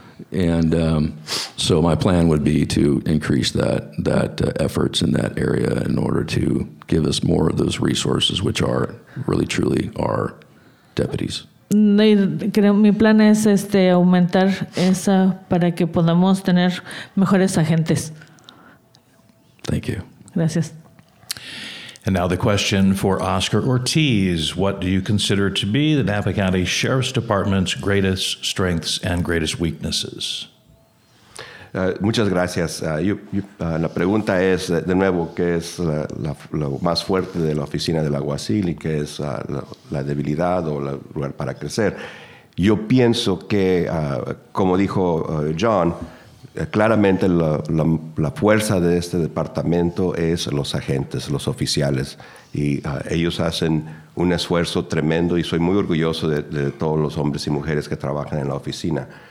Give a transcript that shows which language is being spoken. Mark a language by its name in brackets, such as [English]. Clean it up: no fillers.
[English] And so my plan would be to increase that efforts in that area in order to give us more of those resources, which are really truly our deputies. [Spanish] Mi plan es aumentar esa para que podamos tener mejores agentes. [English] Thank you. [Spanish] Gracias. [English] And now the question for Oscar Ortiz. What do you consider to be the Napa County Sheriff's Department's greatest strengths and greatest weaknesses? [Spanish] Muchas gracias. La pregunta es, de nuevo, ¿qué es lo más fuerte de la oficina del alguacil y qué es la debilidad o el lugar para crecer? Yo pienso que, como dijo John, claramente la fuerza de este departamento es los agentes, los oficiales, y ellos hacen un esfuerzo tremendo y soy muy orgulloso de todos los hombres y mujeres que trabajan en la oficina.